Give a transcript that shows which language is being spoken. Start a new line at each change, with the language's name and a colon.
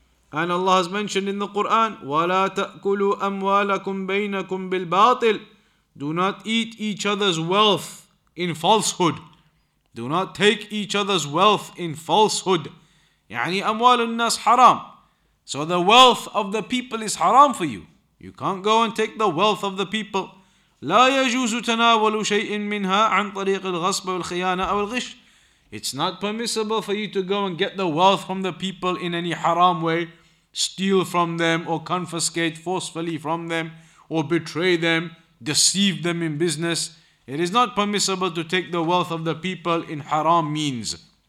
English: And Allah has mentioned in the Quran,
Arabic: وَلَا تَأْكُلُوا أَمْوَالَكُمْ بَيْنَكُمْ بِالْبَاطِلِ.
English: Do not eat each other's wealth in falsehood. Do not take each other's wealth in falsehood.
Arabic: يعني أموال الناس حرام.
English: So the wealth of the people is haram for you. You can't go and take the wealth of the people.
Arabic: لا يجوز تناول شيء منها عن طريق الغصب والخيانة أو الغش.
English: It's not permissible for you to go and get the wealth from the people in any haram way, steal from them or confiscate forcefully from them or betray them, deceive them in business. It is not permissible to take the wealth of the people in haram means.